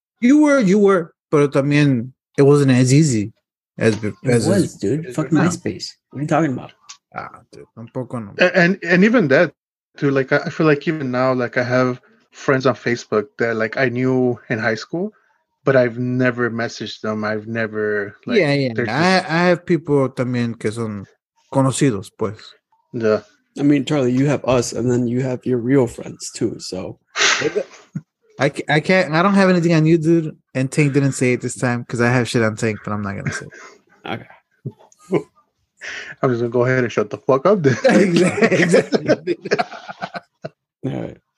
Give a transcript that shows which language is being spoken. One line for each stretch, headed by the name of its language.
English: You were, but I mean, it wasn't as easy. It was, dude. Fuck MySpace. Now. What are you talking about? And even that, too. Like, I feel like even now, like, I have friends on Facebook that, like, I knew in high school, but I've never messaged them. I've never, like, I have people
Spanish: también que son conocidos, pues.
English: Yeah. I mean, Charlie, you have us, and then you have your real friends, too, so. I don't have anything on you, dude. And Tank didn't say it this time because I have shit on Tank, but I'm not going to say it. Okay. I'm just going to go ahead and shut the fuck up, dude. Exactly. All right.